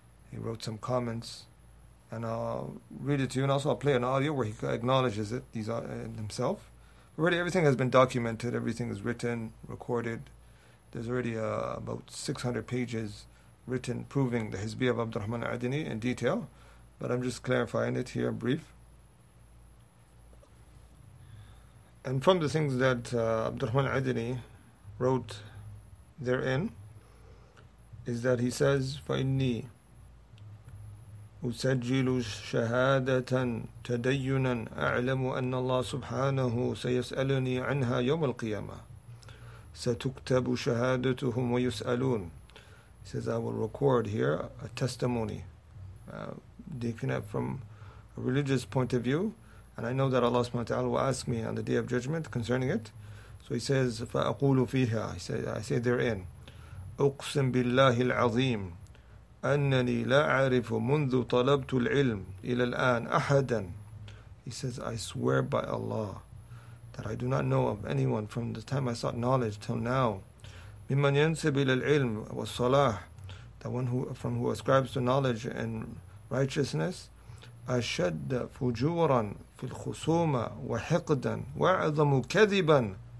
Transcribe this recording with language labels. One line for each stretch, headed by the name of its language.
English: He wrote some comments, and I'll read it to you, and also I'll play an audio where he acknowledges it, these himself. Already everything has been documented, everything is written, recorded. There's already about 600 pages written proving the Hizbiyya of Abdurrahman al-Adini in detail, but I'm just clarifying it here in brief. And from the things that Abdurrahman al-Adini wrote therein, is that he says,
Arabic: فَإِنِّي أُسَجِّلُ شَهَادَةً تَدَيُّنًا أَعْلَمُ أَنَّ اللَّهَ سُبْحَانَهُ سَيَسْأَلُنِي عَنْهَا يَوْمَ الْقِيَامَةِ سَتُكْتَبُ شَهَادَتُهُمْ وَيُسْأَلُونَ.
English: He says, I will record here a testimony. Taking it from a religious point of view, and I know that Allah subhanahu wa ta'ala will ask me on the Day of Judgment concerning it. So he says,
Arabic: فَأَقُولُ فِيهَا,
English: I say therein,
Arabic: أقسم بالله العظيم أنني لا أعرف منذ طلبت العلم إلى الآن أحدا.
English: He says, I swear by Allah that I do not know of anyone from the time I sought knowledge till now.
Arabic: ممن ينسب إلى العلم والصلاح,
English: the one who ascribes to knowledge and righteousness,
Arabic: أشد فجورا في الخصومة وحقدا وأعظم كذبا,